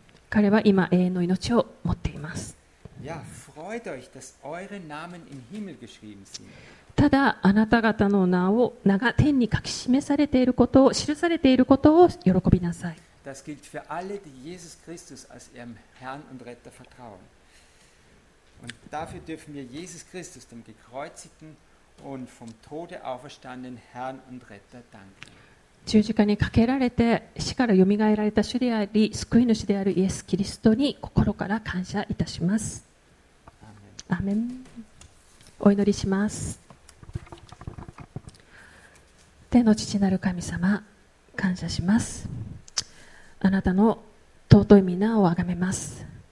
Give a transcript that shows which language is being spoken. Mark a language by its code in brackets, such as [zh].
[ja] 彼は今永遠の命を持っています。 [de] Ja, freut euch, dass eure Namen im Himmel geschrieben sind. [ja] ただあなた方の名が天に書き示されていることを、記されていることを喜びなさい。 [de] Das gilt für alle, die Jesus Christus als ihrem Herrn und Retter vertrauen. Und dafür dürfen wir Jesus Christus, dem gekreuzigten und vom Tode auferstandenen Herrn und Retter, danken. [ja] 十字架にかけられて死からよみがえられた主であり、救い主であるイエス・キリストに心から感謝いたします。アーメン。お祈りします。天の父なる神様、感謝します。あなたの尊い皆をあがめます。